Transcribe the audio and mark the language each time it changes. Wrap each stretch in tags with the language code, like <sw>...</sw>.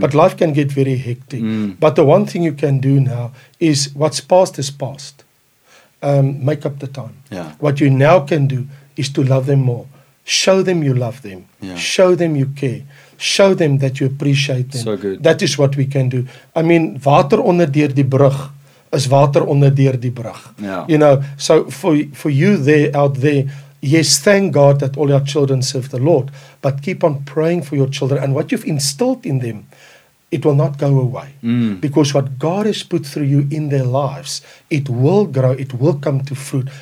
<en>But life can get very hectic. Mm. But the one thing you can do now is, what's past is past. Make up the time. Yeah. What you now can do is to love them more. Show them you love them. Yeah. Show them you care. Show them that you appreciate them. So good. That is what we can do. I mean,</en> <af>water onder deur die brug is water onder deur die brug.</af> <en>Yeah. You know, so for you there out there, yes, thank God that all your children serve the Lord, but keep on praying for your children and what you've instilled in them. it will not go away. Mm. Because what God has put through you in their lives, it will grow, it will come to fruit.</en>